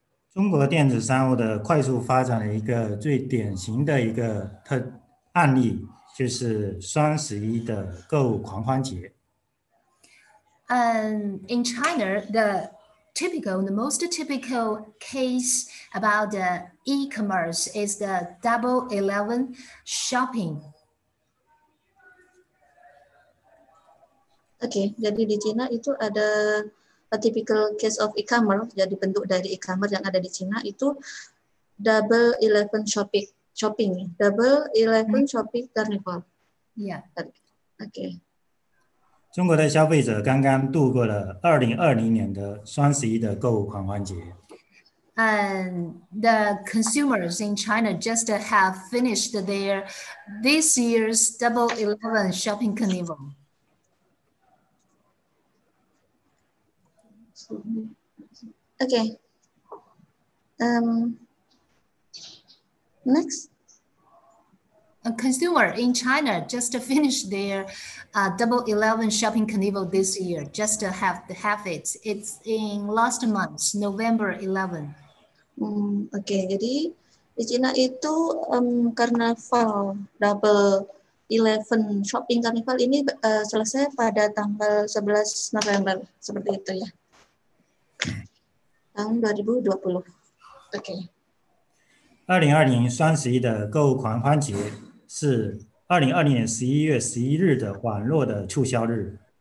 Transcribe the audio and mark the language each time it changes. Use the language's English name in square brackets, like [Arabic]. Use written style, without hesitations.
[Chinese] 中国电子商务的快速发展的一个最典型的一个案例就是双十一的购物狂欢节. [English] In China, the most typical case about the e-commerce is the Double 11 shopping. [Indonesian] Okay, jadi di China itu ada [English] a typical case of e-commerce, [Indonesian] jadi bentuk dari e-commerce yang ada di China itu Double 11 shopping, Double 11 shopping carnival. [English] Yeah. Okay. [Chinese] 中国的消费者刚刚度过了 2020 年的双十一的购物狂欢节. [English] And the consumers in China just have finished their this year's Double 11 shopping carnival. Okay. Next. A consumer in China just finished their Double 11 shopping carnival this year, just to have it. It's in last month, November 11. [Indonesian] Okay, jadi Di Cina itu karnaval double 11 shopping karnaval ini selesai pada tanggal 11 November seperti itu ya. Tahun 2020. Oke. [English] Okay. [Chinese] 2020年双十一的购物狂欢节是 2020年11月11日的网络的促销日。